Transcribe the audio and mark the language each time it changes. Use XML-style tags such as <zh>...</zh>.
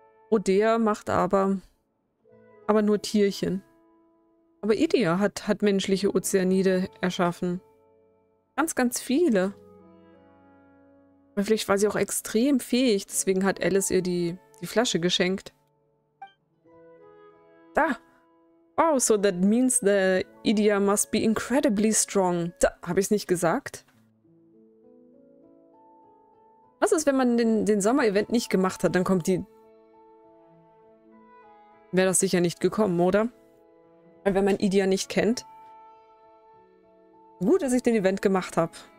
<de>Rodea macht aber nur Tierchen. Aber Idia hat menschliche Ozeanide erschaffen. Ganz, ganz viele. Vielleicht war sie auch extrem fähig, deswegen hat Alice ihr die Flasche geschenkt. Da!</de> <en>Wow, so that means the Idia must be incredibly strong.</en> <de>Da, habe ich es nicht gesagt? Was ist, wenn man den Sommer-Event nicht gemacht hat? Dann kommt die. Wäre das sicher nicht gekommen, oder? Wenn man Idia nicht kennt. Gut, dass ich den Event gemacht habe.</de>